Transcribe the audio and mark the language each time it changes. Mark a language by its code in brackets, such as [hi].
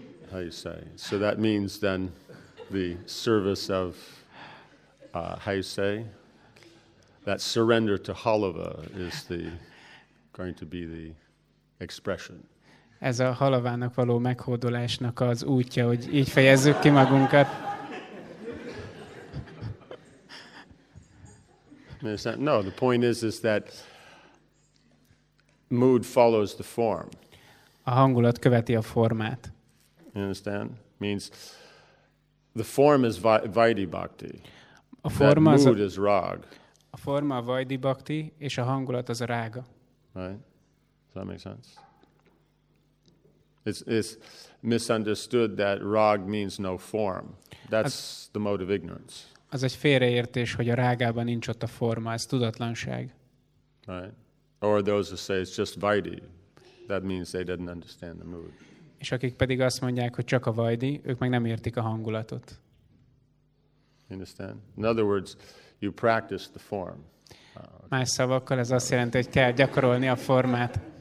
[en] How you say? So that means then the service of, how you say? That surrender to Halava is the going to be the expression. [hu] Ez a Halavának való meghódolásnak az útja, hogy így fejezzük ki magunkat. [en] No, the point is that mood follows the form. [hu] A hangulat követi a formát. [en] You understand? Means the form is vaidhi bhakti. [hu] A forma [en] that mood is rag. [hu] A forma a vaidhi bhakti, és a hangulat az a rága. [en] Right? Does that make sense? It's misunderstood that rag means no form. That's the mode of ignorance. [hu] Az egy félreértés, hogy a rágában nincs ott a forma, ez tudatlanság. [en] Right. Or those who say it's just vaidi, that means they didn't understand the mood. [hu] És akik pedig azt mondják, hogy csak a vaidi, ők meg nem értik a hangulatot. [en] Understand? In other words, you practice the form. [hu] Más szavakkal ez azt jelenti, hogy kell gyakorolni a formát.